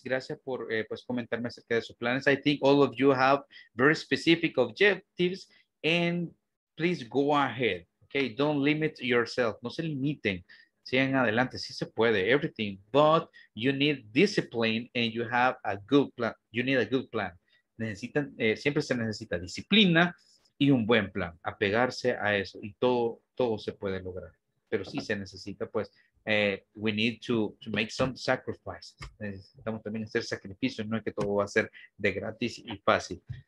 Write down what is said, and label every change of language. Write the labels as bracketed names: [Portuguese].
[Spanish] Gracias por pues comentarme acerca de sus planes. [English] I think all of you have very specific objectives. And please go ahead. Okay, don't limit yourself. [Spanish] No se limiten. Sigan adelante. Sí se puede. [English] Everything. But you need discipline and you have a good plan. You need a good plan. [Spanish] Necesitan, siempre se necesita disciplina y un buen plan. Apegarse a eso. Y todo se puede lograr. Pero sí se necesita, pues, [English] we need to make some sacrifices. [Spanish] Necesitamos también hacer sacrificios. No es que todo va a ser de gratis y fácil.